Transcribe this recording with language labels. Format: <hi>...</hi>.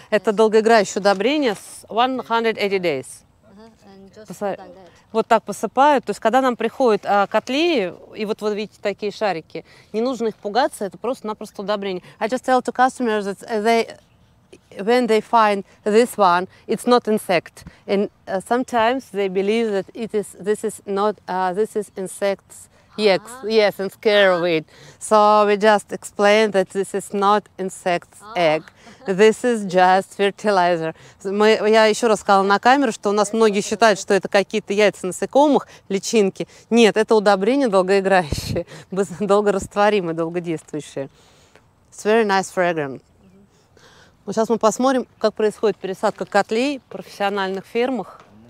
<ru>Это долгоиграющее удобрение с</ru> <en>180 days.</en> <ru>Вот так посыпают. То есть, когда нам приходят котлеи, и вот вы видите такие шарики, не нужно их пугаться, это просто-напросто удобрение.</ru> <en>I just tell to customers that they, when they find this one, it's not insect. And sometimes they believe that it is, this is not, this is insects. Yes, yes, and scared of it. So we just explained that this is not insect's egg. This is just fertilizer.</en> <ru>Я еще раз сказала на камеру, что у нас многие считают, что это какие-то яйца насекомых, личинки. Нет, это удобрение долгоиграющее, долгорастворимое, долгодействующее.</ru> <en>It's very nice fragrant.</en> <ru>Ну, сейчас мы посмотрим, как происходит пересадка котлей в профессиональных фермах.</ru>